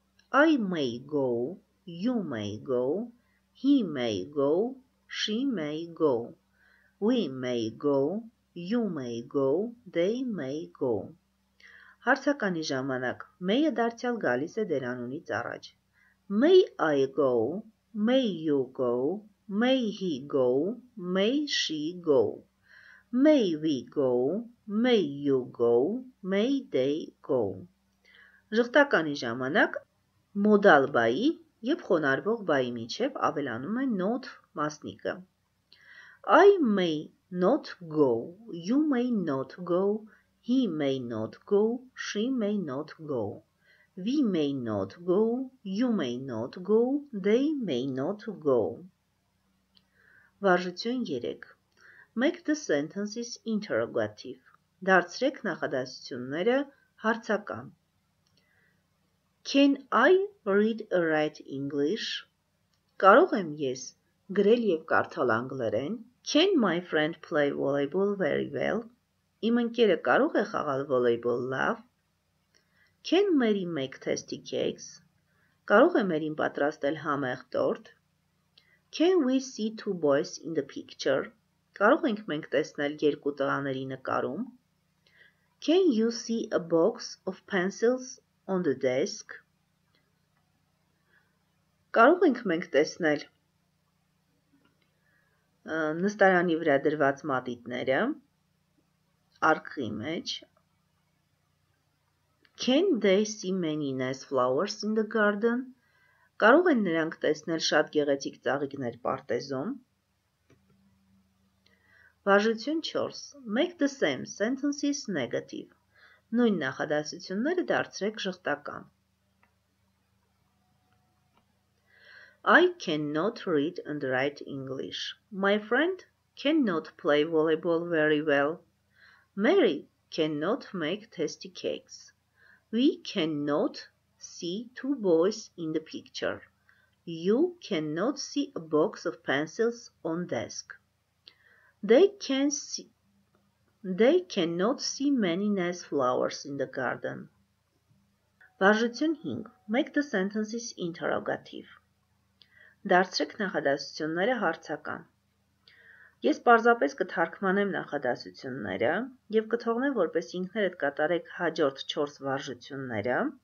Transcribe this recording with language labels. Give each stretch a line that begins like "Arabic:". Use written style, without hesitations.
English: I may go, you may go, he may go, she may go, we may go, you may go, they may go.
Armenian: Հարցականի ժամանակ, may-ը դարձյալ գալիս է դերանունից առաջ.
English: May I go, may you go, may he go, may she go, may we go, may you go, may they go.
Armenian: Ժխտականի ժամանակ, մոդալ բայի և խոնարհվող բայի միջև ավելանում է not մասնիկը.
English: I may not go, you may not go, he may not go, she may not go. We may not go, you may not go, they may not go. Վարժություն 3. Make the sentences interrogative.
Armenian: Դարձրեք նախադասությունները հարցական.
English: Can I read or write English?
Armenian: Կարող եմ ես գրել և կարդալ անգլերեն?
English: Can my friend play volleyball very well?
Armenian: Իմ ընկերը կարող է խաղալ volleyball լավ?
English: Can Mary make tasty cakes?
Armenian: Կարող է Մերին պատրաստել համեղ տորտ?
English: Can we see two boys in the picture?
Armenian: Կարող ենք մենք տեսնել երկու տղաների նկարում?
English: Can you see a box of pencils on the desk?
Armenian: Կարող ենք մենք տեսնել նստարանի վրա դրված մատիտները արկղի մեջ.
English: Can they see many nice flowers in the garden?
Armenian: Կարող են նրանք տեսնել շատ գեղեցիկ ծաղիկներ պարտեզում. Վարժություն 4.
English: Make the same sentences negative.
Armenian: Նույն նախադասությունները դարձրեք ժխտական.
English: I cannot read and write English. My friend cannot play volleyball very well. Mary cannot make tasty cakes. We cannot see two boys in the picture. You cannot see a box of pencils on desk. They cannot see many nice flowers in the garden. Վարժություն 5. Make the sentences interrogative.
Armenian: Դարձրեք նախադասությունները հարցական. Ես պարզապես կթարգմանեմ նախադասությունները և կթողնեմ, որպես ինքներդ կատարեք հաջորդ 4 վարժությունները.